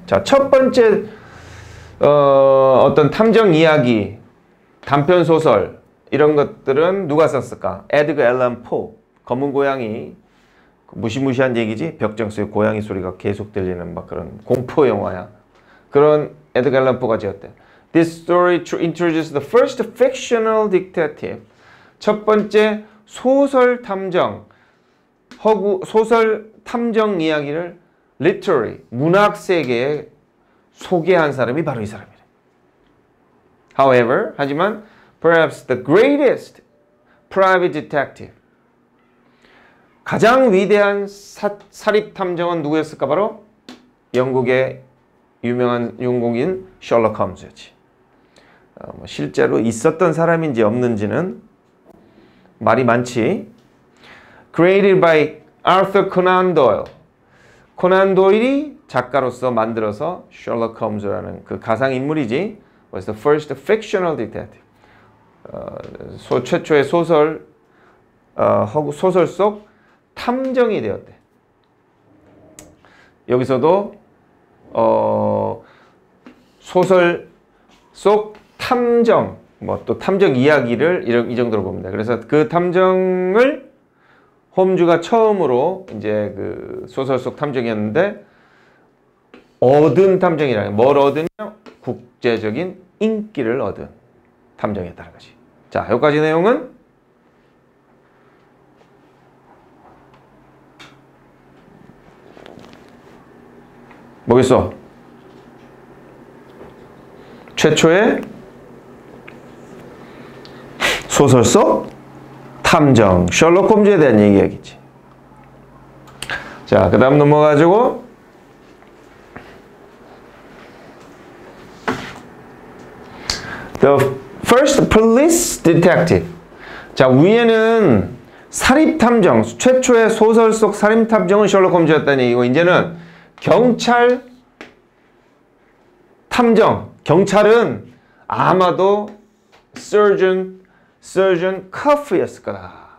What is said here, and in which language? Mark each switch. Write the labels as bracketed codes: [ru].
[ko] 자, 첫 번째, 어떤 탐정 이야기, 단편 소설. 이런 것들은 누가 썼을까? 에드거 앨런 포. 검은 고양이. 무시무시한 얘기지? 벽장 속에 고양이 소리가 계속 들리는 막 그런 공포 영화야. 그런 에드거 앨런 포가 지었대. [en] This story introduces the first fictional detective. [ko] 첫 번째 소설 탐정. 허구, 소설 탐정 이야기를 literary, 문학 세계에 소개한 사람이 바로 이 사람이래. [en] However, [ko] 하지만 [en] Perhaps the greatest private detective. [ko] 가장 위대한 사립 탐정은 누구였을까? 바로 영국의 유명한 영국인 셜록 홈즈였지. 뭐 실제로 있었던 사람인지 없는지는 말이 많지. [en] Created by Arthur Conan Doyle. [ko] 코난 도일이 작가로서 만들어서 셜록 홈즈라는 그 가상 인물이지. [en] Was the first fictional detective. [ko] 최초의 소설, 소설 속 탐정이 되었대. 여기서도, 소설 속 탐정, 뭐또 탐정 이야기를 이 정도로 봅니다. 그래서 그 탐정을 홈즈가 처음으로 이제 그 소설 속 탐정이었는데, 얻은 탐정이라, 뭘 얻으냐? 국제적인 인기를 얻은 탐정이었다는 거지. 자, 여기까지 내용은 뭐겠어? 최초의 소설 속 탐정 셜록 홈즈에 대한 얘기겠지. 자, 그다음 넘어가지고 [en] The First Police Detective. [ko] 자, 위에는 사립탐정, 최초의 소설 속 사립탐정은 셜록 홈즈였다는 얘기고, 이제는 경찰 탐정. 경찰은 아마도 Surgeon Cuff였을 거다.